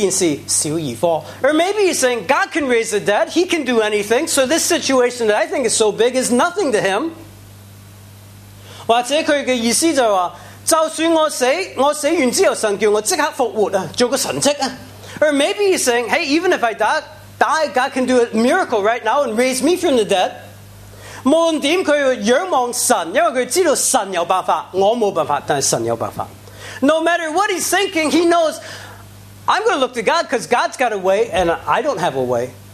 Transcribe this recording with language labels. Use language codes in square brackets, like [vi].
[en] Or maybe he's saying God can raise the dead, he can do anything, so this situation that I think is so big is nothing to him. [zh] 或者他的意思就是说，就算我死，我死完之后神叫我立刻复活，做个神迹。 [en] Or maybe he's saying, hey, even if I die, God can do a miracle right now and raise me from the dead. [zh] 无论如何他仰望神，因为他知道神有办法，我没办法，但是神有办法。 [en] No matter what he's thinking, he knows, I'm going to look to God because God's got a way and I don't have a way.